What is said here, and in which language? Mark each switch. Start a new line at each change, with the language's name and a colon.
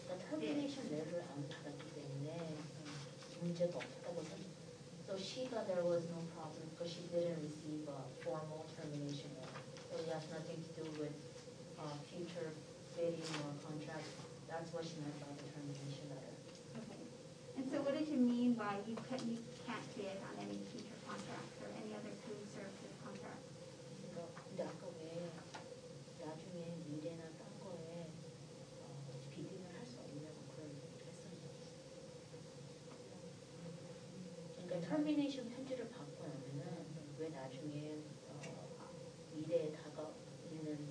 Korean: 터미네이션 레벨을 안 받았기 때문에 문제가 없었다고 생각합니다.
English: So she thought there was no problem because she didn't receive a formal termination letter. So it has nothing to do with future bidding or contract. That's what she meant by the termination letter. Okay. And so what did you mean by you can't bid on any future contracts or any other food service contract?
Korean: 근데 아까 왜 나중에 미래나 딴 거에 비딩을 할 수 없냐고 그런 얘기를 했었는데. 터미네이션 편지를 받고 나면은 왜 나중에 미래에 다가오는